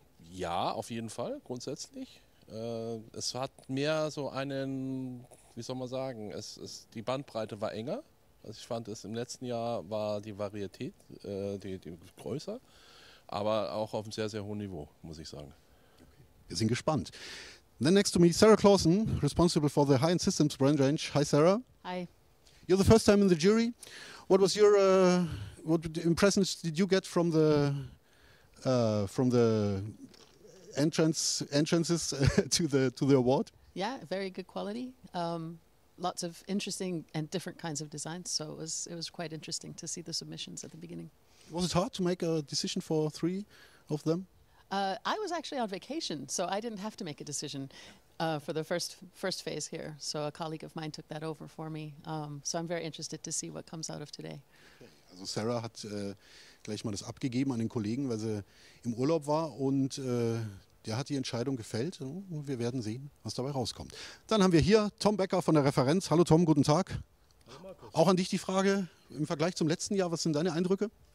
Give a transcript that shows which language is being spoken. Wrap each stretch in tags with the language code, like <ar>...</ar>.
<de>Ja, auf jeden Fall, grundsätzlich. Es hat mehr so einen, wie soll man sagen, die Bandbreite war enger. Also ich fand es im letzten Jahr war die Varietät die größer, aber auch auf einem sehr, sehr hohen Niveau, muss ich sagen. Wir sind gespannt.</de> <en>And then next to me, Sarah Clausen, responsible for the High-End Systems Brand Range. Hi, Sarah. Hi. You're the first time in the jury. What was your what impressions did you get from the entrances to the award? Yeah, very good quality. Lots of interesting and different kinds of designs, so it was quite interesting to see the submissions at the beginning. Was it hard to make a decision for 3 of them? I was actually on vacation, so I didn't have to make a decision for the first phase here. So a colleague of mine took that over for me. So I'm very interested to see what comes out of today.</en> <de>Also Sarah hat gleich mal das abgegeben an den Kollegen, weil sie im Urlaub war und der hat die Entscheidung gefällt. Wir werden sehen, was dabei rauskommt. Dann haben wir hier Tom Becker von der Referenz. Hallo Tom, guten Tag. Hallo Markus. Auch an dich die Frage, im Vergleich zum letzten Jahr, was sind deine Eindrücke?</de>